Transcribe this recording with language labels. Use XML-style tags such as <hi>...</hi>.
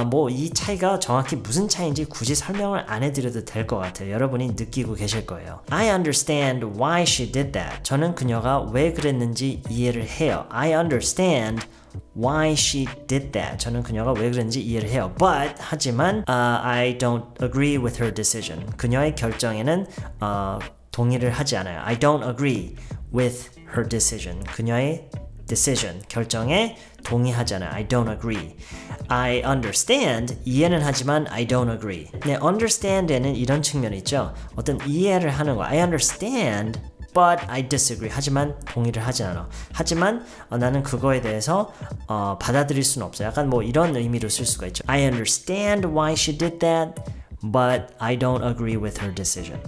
<ko>이 차이가 정확히 무슨 차이인지 굳이 설명을 안 해드려도 될 것 같아요. 여러분이 느끼고 계실 거예요.</ko> <en>I understand why she did that.</en> <ko>저는 그녀가 왜 그랬는지 이해를 해요.</ko> <en>I understand why she did that.</en> <ko>저는 그녀가 왜 그랬는지 이해를 해요.</ko> <en>But,</en> <ko>하지만,</ko> <en>I don't agree with her decision.</en> <ko>그녀의 결정에는 동의를 하지 않아요.</ko> <en>I don't agree with her decision.</en> <ko>그녀의 decision, 결정에 동의하잖아요.</ko> <en>I don't agree. I understand,</en> <ko>이해는 하지만</ko> <en>I don't agree.</en> <ko>네, understand에는 이런 측면이 있죠. 어떤 이해를 하는 거.</ko> <en>I understand, but I disagree.</en> <ko>하지만 동의를 하지 않아. 하지만 나는 그거에 대해서 받아들일 수는 없어요. 약간 뭐 이런 의미로 쓸 수가 있죠.</ko> <en>I understand why she did that, but I don't agree with her decision.</en>